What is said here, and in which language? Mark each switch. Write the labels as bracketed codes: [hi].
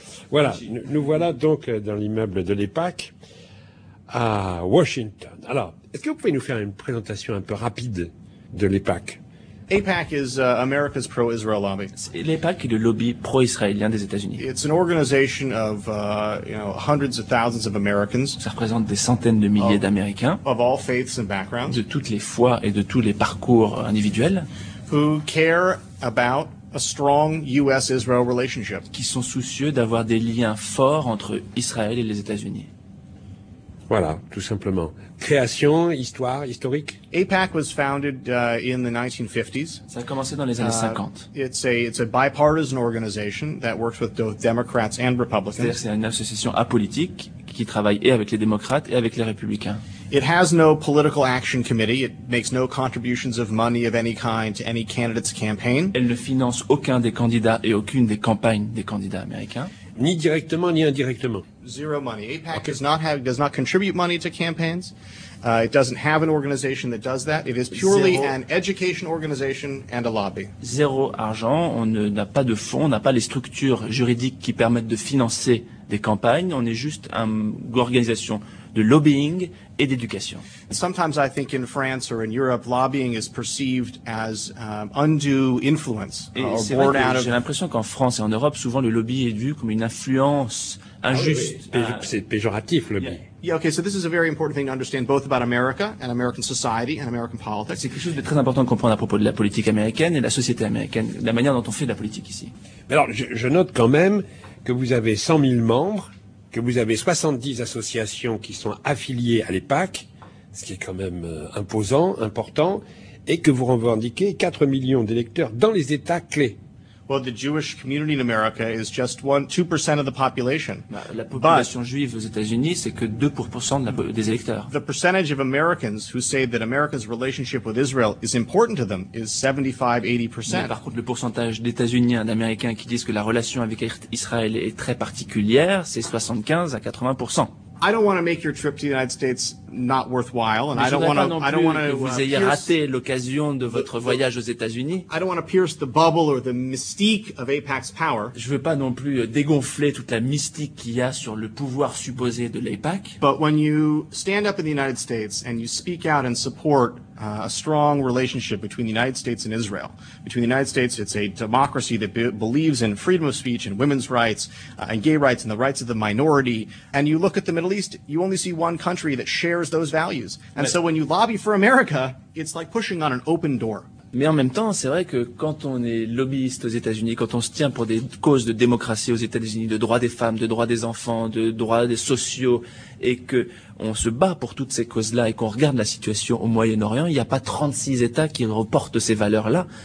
[fr] Voilà, nous voilà donc dans l'immeuble de l'EPAC à Washington. Alors, est-ce que vous pouvez nous faire une présentation un peu rapide de l'EPAC? [en] AIPAC is America's pro-Israel lobby. [fr] L'EPAC est le lobby pro-israélien des États-Unis. [en] It's an organization of hundreds of thousands of Americans. [fr] Ça représente des centaines de milliers d'Américains. [en] Of all faiths and backgrounds. [fr] De toutes les foi et de tous les parcours individuels. [en] Who care about a strong U.S.-Israel relationship. [fr] Qui sont soucieux d'avoir des liens forts entre Israël et les États-Unis. Voilà, tout simplement. Création, histoire, historique. [en] AIPAC was founded in the 1950s. [fr] Ça a commencé dans les années 50. [en] It's a bipartisan organization that works with both Democrats and Republicans. [fr] C'est-à-dire que c'est une association apolitique qui travaille et avec les démocrates et avec les républicains. [en] It has no political action committee. It makes no contributions of money of any kind to any candidate's campaign. [fr] Elle ne finance aucun des candidats et aucune des campagnes des candidats américains. Ni directement ni indirectement. [en] Zero money. AIPAC does not contribute money to campaigns. It doesn't have an organization that does that. It is purely zero. An education organization and a lobby. [fr] Zéro argent. On n'a pas de fonds. On n'a pas les structures juridiques qui permettent de financer des campagnes. On est juste une organisation de lobbying et d'éducation. [en] Sometimes I think in France or in Europe, lobbying is perceived as undue influence. [fr] J'ai l'impression qu'en France et en Europe, souvent le lobby est vu comme une influence injuste. Ah oui, c'est péjoratif, le lobby. [en] Yeah, okay, so this is a very important thing to understand both about America and American society and American politics. [fr] C'est quelque chose de très important de comprendre à propos de la politique américaine et de la société américaine, la manière dont on fait de la politique ici. Mais alors, je note quand même que vous avez 100 000 membres, que vous avez 70 associations qui sont affiliées à l'EPAC, ce qui est quand même imposant, important, et que vous revendiquez 4 millions d'électeurs dans les États clés. [en] Well, the Jewish community in America is just 2% of the population. [fr] La population juive aux États-Unis, c'est que 2% des électeurs. [en] The percentage of Americans who say that America's relationship with Israel is important to them is 75-80%. [fr] Par contre, le pourcentage d'États-Unis d'Américains qui disent que la relation avec Israël est très particulière, c'est 75-80%. [en] I don't want to make your trip to the United States not worthwhile, and I don't want to pierce the bubble or the mystique of AIPAC's power. [fr] Je veux pas non plus dégonfler toute la mystique qu'il y a sur le pouvoir supposé de l'AIPAC. [en] But when you stand up in the United States and you speak out and support a strong relationship between the United States and Israel, between the United States, it's a democracy that believes in freedom of speech and women's rights and gay rights and the rights of the minority, and you look at the Middle East, you only see one country that shares those values. And so when you lobby for America, it's like pushing on an open door. [fr] Mais en même temps, c'est vrai que quand on est lobbyiste aux États-Unis, quand on se tient pour des causes de démocratie aux États-Unis, de droits des femmes, de droits des enfants, de droits des sociaux, et que on se bat pour toutes ces causes-là et qu'on regarde la situation au Moyen-Orient, il n'y a pas 36 États qui reportent ces valeurs-là.